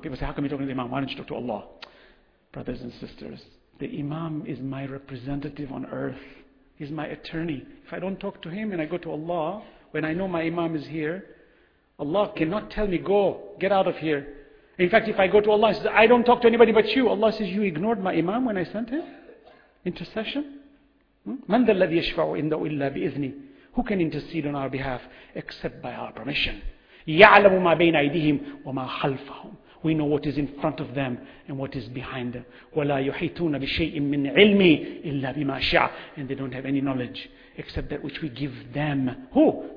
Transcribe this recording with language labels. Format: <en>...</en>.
<en>People say, how come you're talking to the Imam? Why don't you talk to Allah? Brothers and sisters, the Imam is my representative on earth. He's my attorney. If I don't talk to him and I go to Allah, when I know my Imam is here, Allah cannot tell me, go, get out of here. In fact, if I go to Allah and say, I don't talk to anybody but you, Allah says, you ignored my Imam when I sent him? Intercession?</en> <ar>من ذا الذي يشفع عنده إلا بإذنه.</ar> <en>Who can intercede on our behalf except by our permission?</en> <ar>يَعْلَمُ مَا بَيْنَ أَيْدِهِمْ وَمَا خَلْفَهُمْ.</ar> <en>We know what is in front of them and what is behind them.</en> <ar>وَلَا يُحِيطُونَ بِشَيْءٍ مِّنْ عِلْمِي إِلَّا بِمَا شَعَ.</ar> <en>And they don't have any knowledge except that which we give them. Who?</en>